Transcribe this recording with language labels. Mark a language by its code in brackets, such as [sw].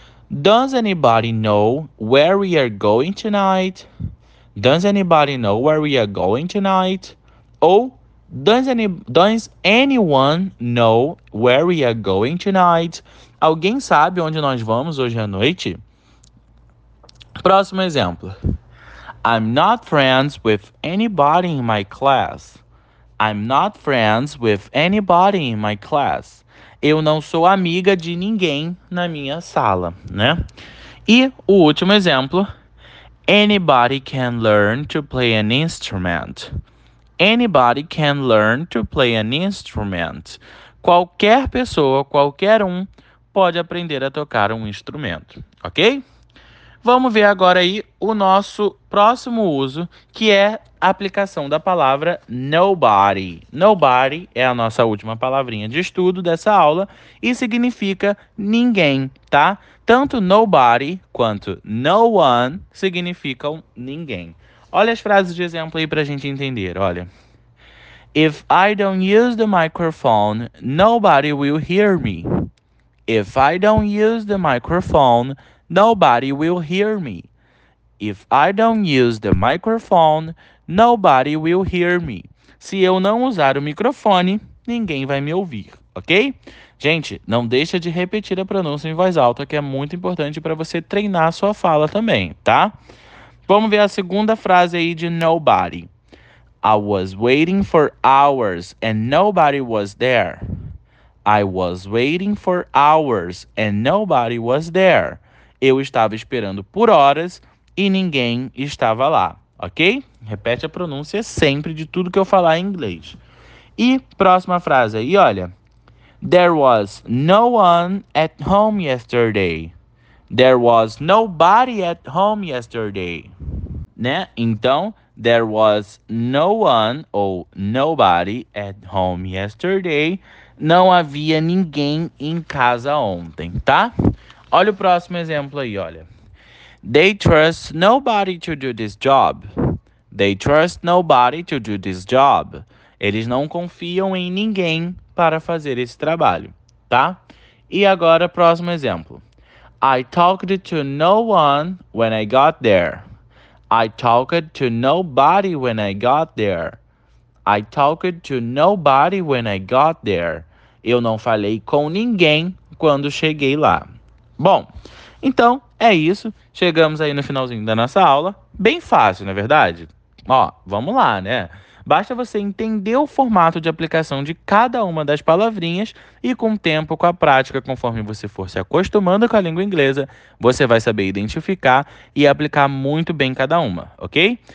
[en] Does anybody know where we are going tonight? Does anybody know where we are going tonight? [pt] Ou [en] Does anyone know where we are going tonight? [pt] Alguém sabe onde nós vamos hoje à noite? Próximo exemplo. [en] I'm not friends with anybody in my class. I'm not friends with anybody in my class. [pt] Eu não sou amiga de ninguém na minha sala, né? E o último exemplo. [en] Anybody can learn to play an instrument. Anybody can learn to play an instrument. [pt] Qualquer pessoa, qualquer um, pode aprender a tocar um instrumento, ok? Vamos ver agora aí o nosso próximo uso, que é a aplicação da palavra nobody. Nobody é a nossa última palavrinha de estudo dessa aula e significa ninguém, tá? Tanto nobody quanto no one significam ninguém. Olha as frases de exemplo aí para a gente entender, olha. [en] If I don't use the microphone, nobody will hear me. If I don't use the microphone, nobody will hear me. If I don't use the microphone, nobody will hear me. [pt] Se eu não usar o microfone, ninguém vai me ouvir, ok? Gente, não deixa de repetir a pronúncia em voz alta, que é muito importante para você treinar a sua fala também, tá? Vamos ver a segunda frase aí de nobody. [en] I was waiting for hours and nobody was there. I was waiting for hours and nobody was there. [pt] Eu estava esperando por horas e ninguém estava lá, ok? Repete a pronúncia sempre de tudo que eu falar em inglês. E próxima frase aí, olha. [en] There was no one at home yesterday. There was nobody at home yesterday. [pt] Né? Então, [en] there was no one [pt] ou [en] nobody at home yesterday. [pt] Não havia ninguém em casa ontem, tá? Olha o próximo exemplo aí, olha. [en] They trust nobody to do this job. They trust nobody to do this job. [pt] Eles não confiam em ninguém para fazer esse trabalho, tá? E agora, próximo exemplo. [en] I talked to no one when I got there. I talked to nobody when I got there. I talked to nobody when I got there. [pt] Eu não falei com ninguém quando cheguei lá. Bom, então é isso. Chegamos aí no finalzinho da nossa aula. Bem fácil, não é verdade? Ó, vamos lá, né? Basta você entender o formato de aplicação de cada uma das palavrinhas e, com o tempo, com a prática, conforme você for se acostumando com a língua inglesa, você vai saber identificar e aplicar muito bem cada uma, ok?